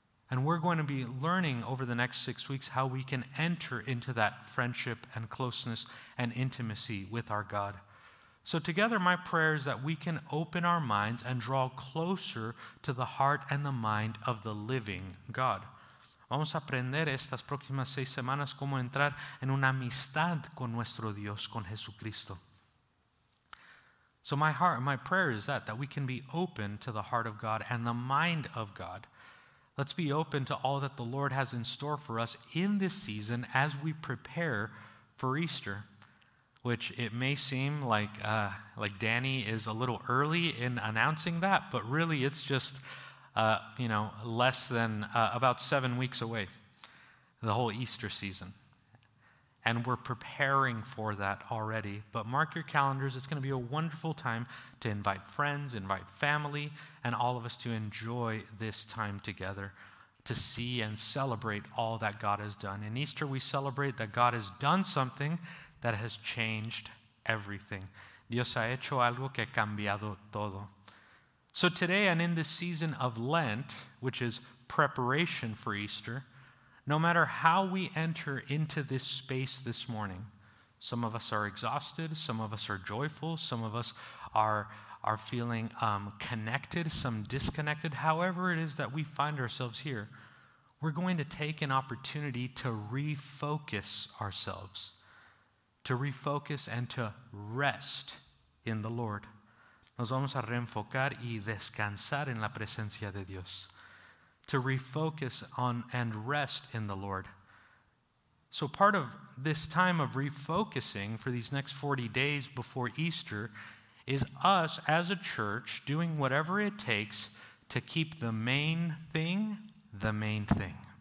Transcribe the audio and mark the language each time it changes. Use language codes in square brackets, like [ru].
[en] And we're going to be learning over the next 6 weeks how we can enter into that friendship and closeness and intimacy with our God. So together, my prayer is that we can open our minds and draw closer to the heart and the mind of the living God. [es] Vamos a aprender estas próximas 6 semanas cómo entrar en una amistad con nuestro Dios, con Jesucristo. [en] So my heart, my prayer is that we can be open to the heart of God and the mind of God. Let's be open to all that the Lord has in store for us in this season as we prepare for Easter, which it may seem like Danny is a little early in announcing that, but really it's just, less than about 7 weeks away, the whole Easter season. And we're preparing for that already. But mark your calendars. It's going to be a wonderful time to invite friends, invite family, and all of us to enjoy this time together to see and celebrate all that God has done. In Easter, we celebrate that God has done something that has changed everything. [es] Dios ha hecho algo que ha cambiado todo. [en] So today and in this season of Lent, which is preparation for Easter, no matter how we enter into this space this morning, some of us are exhausted, some of us are joyful, some of us are feeling connected, some disconnected, however it is that we find ourselves here, we're going to take an opportunity to refocus ourselves, to refocus and to rest in the Lord. [es] Nos vamos a reenfocar y descansar en la presencia de Dios. [en] To refocus on and rest in the Lord. So part of this time of refocusing for these next 40 days before Easter is us as a church doing whatever it takes to keep the main thing the main thing.